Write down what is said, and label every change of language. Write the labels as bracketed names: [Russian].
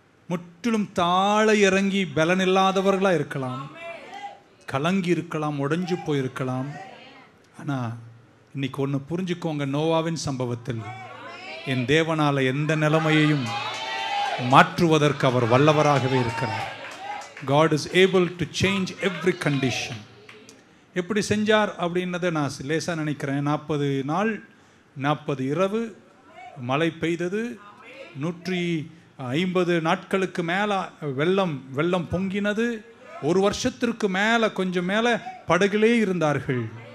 [Tamil] முற்றிலும் தாழ இறங்கி பலன் இல்லாதவர்களா இருக்கலாம், கலங்கி இருக்கலாம், உடைஞ்சு போயிருக்கலாம். ஆனா இன்னைக்கு ஒன்னு புரிஞ்சுக்கோங்க, நோவாவின் சம்பவத்தில் என் தேவனால எந்த நிலைமையையும் மாற்றுவதற்கு அவர் வல்லவராகவே இருக்கிறார். [English] God is able to change every condition. [Tamil] எப்படி செஞ்சார் அப்படின்னத நான் லேசாக நினைக்கிறேன். 40 நாள் 40 இரவு மழை பெய்தது. 150 நாட்களுக்கு மேலே வெள்ளம் பொங்கினது. 1 வருஷத்திற்கு மேலே கொஞ்சம் மேலே படகிலே இருந்தார்கள்.